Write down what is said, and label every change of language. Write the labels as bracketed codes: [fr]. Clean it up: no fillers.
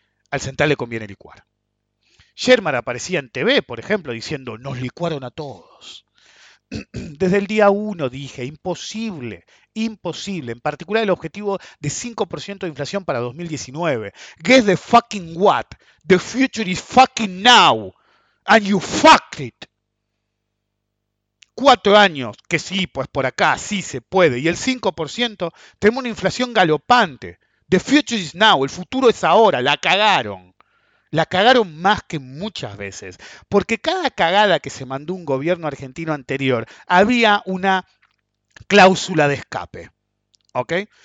[es] Al central le conviene licuar. Sherman aparecía en TV, por ejemplo, diciendo, nos licuaron a todos. Desde el día 1 dije, imposible, imposible, en particular el objetivo de 5% de inflación para 2019. [en] Guess the fucking what? The future is fucking now and you fucked it. [es] 4 años, que sí, pues por acá, sí se puede. Y el 5%, tenemos una inflación galopante. [en] The future is now, [es] el futuro es ahora, la cagaron. La cagaron más que muchas veces, porque cada cagada que se mandó un gobierno argentino anterior había una cláusula de escape. ¿Okay?